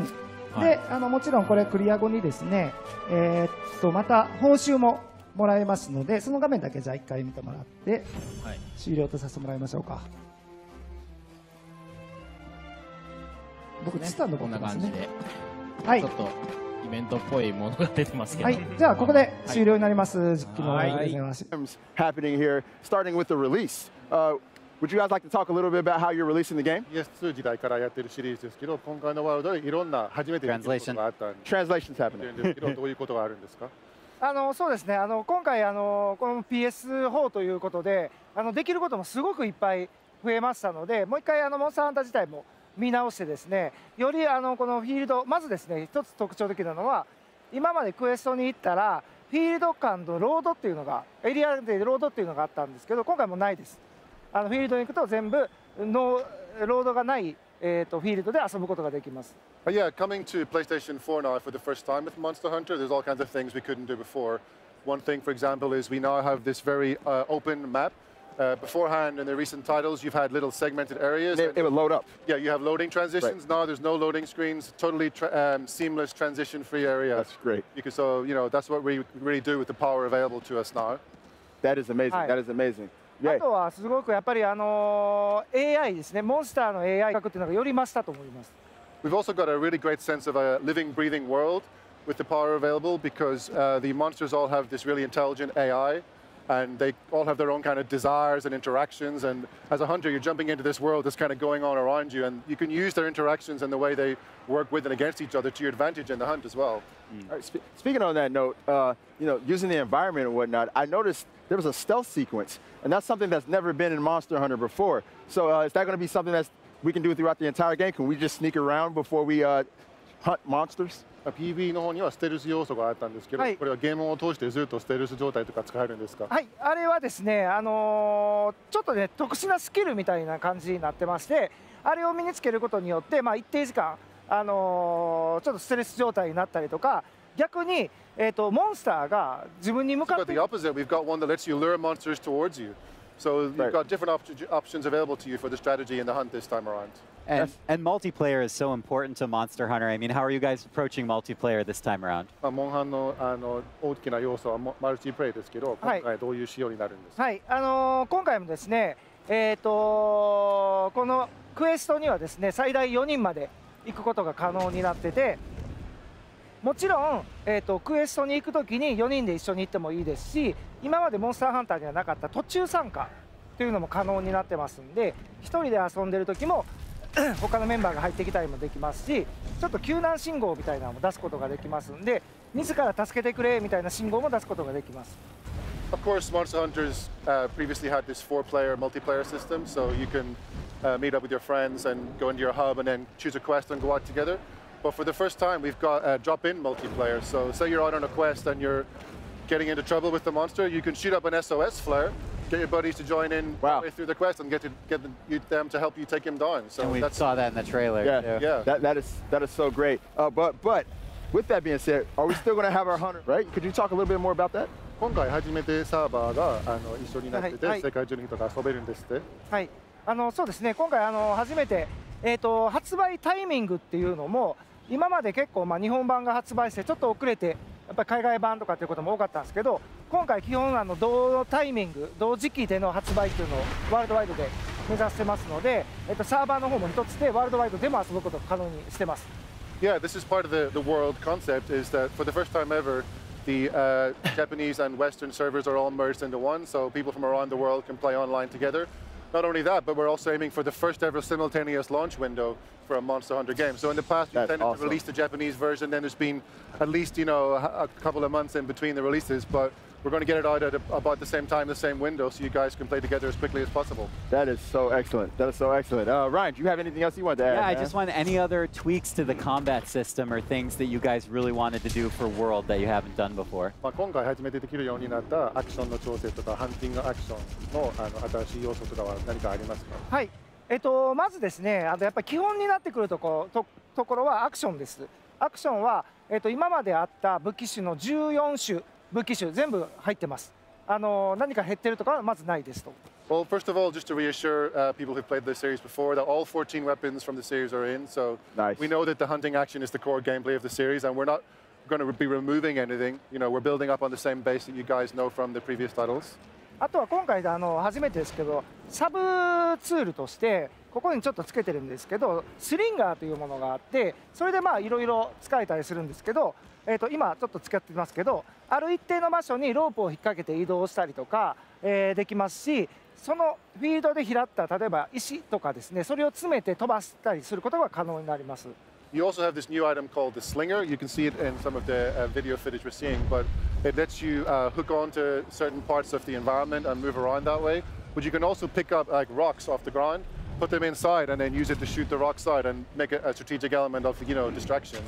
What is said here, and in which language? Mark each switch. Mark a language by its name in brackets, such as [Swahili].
[Japanese] うん、はい、で、もちろんこれクリア後にですね、また報酬も、もらえますので、その画面だけじゃあ1回見てもらって、はい、終了とさせてもらいましょうか。僕ツタンのこんな感じで、はい、ちょっとイベントっぽいものが出てますけど、はい、じゃあここで終了になります。実況ありがとうございます。 [English] Happening here, starting with the release. Would you guys like to talk a little bit about how you're releasing the game? [Japanese] Yes, 2時代からやってるシリーズですけど、今回のワールドでいろんな初めてのことがあったんで、 [English] Translation's happening. [Japanese] どういうことがあるんですか？そうですね、今回この PS4 ということでできることもすごくいっぱい増えましたので、もう一回モンスターハンター自体も見直してですね、よりこのフィールド、まずですね一つ特徴的なのは、今までクエストに行ったらフィールド間のロードっていうのが、エリアでロードっていうのがあったんですけど、今回もないです。フィールドに行くと全部ノーロードがないフィールドで遊ぶことができます。 [English] Yeah, coming to PlayStation 4 now for the first time with Monster Hunter, there's all kinds of things we couldn't do before. One thing, for example, is we now have this very open map. Beforehand, in the recent titles, you've had little segmented areas. It would load up. Yeah, you have loading transitions. Right. Now there's no loading screens, totally seamless transition-free area. That's great. That's what we really do with the power available to us now. That is amazing. Hi. That is amazing. [Japanese] あとはすごくやっぱりAI ですね、モンスターの AI 感覚っていうのがより増したと思います。 [English] We've also got a really great sense of a living, breathing world with the power available because the monsters all have this really intelligent AI and they all have their own kind of desires and interactions. And as a hunter, you're jumping into this world that's kind of going on around you and you can use their interactions and the way they work with and against each other to your advantage in the hunt as well. Right, speaking on that note, using the environment and whatnot, I noticed there was a stealth sequence, and that's something that's never been in Monster Hunter before. So is that going to be something that we can do throughout the entire game? Can we just sneak around before we hunt monsters? [Japanese] PV の方にはステルス要素があったんですけど、はい、これはゲームを通してずっとステルス状態とか使えるんですか？はい、あれはですね、ちょっとね、特殊なスキルみたいな感じになってまして、あれを身につけることによって、まあ、一定時間、ちょっとストレス状態になったりとか、逆に、モンスターが自分に向かって [English] 。 The opposite. We've got one that lets you lure monsters towards you. So you've got different options available to you for the strategy and the hunt this time around. And multiplayer is so important to Monster Hunter. I mean, how are you guys approaching multiplayer this time around? [Japanese] モンハンの大きな要素はマルチプレイですけど、今回どういう仕様になるんですか？はい、今回もですね、このクエストにはですね、最大4人まで行くことが可能になってて、もちろん、クエストに行くときに4人で一緒に行ってもいいですし、今までモンスターハンターにはなかった途中参加というのも可能になってますんで、1人で遊んでる時も他のメンバーが入ってきたりもできますし、ちょっと救難信号みたいなのも出すことができますんで、自ら助けてくれみたいな信号も出すことができます。 [English] Of course, Monster Hunters previously had this four-player multiplayer system, so you can meet up with your friends and go into your hub and then choose a quest and go out together. But for the first time, we've got drop-in multiplayer. So say you're out on a quest and you're getting into trouble with the monster, you can shoot up an SOS flare, get your buddies to join in way through the quest and get them to help you take him down. So and we saw that in the trailer. Yeah. That is so great. But with that being said, are we still going to have our hunter, right? Could you talk a little bit more about that? [Japanese] 今回初めてサーバーが一緒になってて、はい、世界中の人が遊べるんですって、はい、そうですね、今回初めて、発売タイミングっていうのも今まで結構、日本版が発売してちょっと遅れてやっぱ海外版とかっていうことも多かったんですけど、今回基本同タイミング同時期での発売っていうのをワールドワイドで目指してますので、サーバーの方も一つでワールドワイドでも遊ぶことを可能にしてます。 [English] Yeah, this is part of the world concept is that for the first time everThe Japanese and Western servers are all merged into one, so people from around the world can play online together. Not only that, but we're also aiming for the first ever simultaneous launch window for a Monster Hunter game. So in the past, we've tended to release the Japanese version, then there's been at least, a couple of months in between the releases, but we're going to get it out at about the same time, the same window, so you guys can play together as quickly as possible. That is so excellent. Ryan, do you have anything else you want to add? Yeah, I just want any other tweaks to the combat system or things that you guys really wanted to do for World that you haven't done before. [Japanese] 今回初めてできるようになったアクションの調整とかハンティングアクションの新しい要素とかは何かありますか？はい、まずですね、やっぱり基本になってくるところはアクションです。アクションは、今まであった武器種の14種武器種全部入ってます。何か減ってるとかはまずないですと。 [English] Well, first of all, just to reassure people who've played the series before, that all 14 weapons from the series are in. So nice. We know that the hunting action is the core gameplay of the series, and we're not going to be removing anything. We're building up on the same base that you guys know from the previous titles. [Japanese] あとは今回で初めてですけど、サブツールとしてここにちょっとつけてるんですけど、スリンガーというものがあって、それでいろいろ使えたりするんですけど。今ちょっと使ってますけど、ある一定の場所にロープを引っ掛けて移動したりとか、できますし、そのフィールドで拾った例えば石とかですね、それを詰めて飛ばしたりすることが可能になります。 [English] You also have this new item called the Slinger. You can see it in some of the video footage we're seeing, but it lets you hook onto certain parts of the environment and move around that way. But you can also pick up like rocks off the groundput them inside and then use it to shoot the rock side and make a strategic element of, distraction.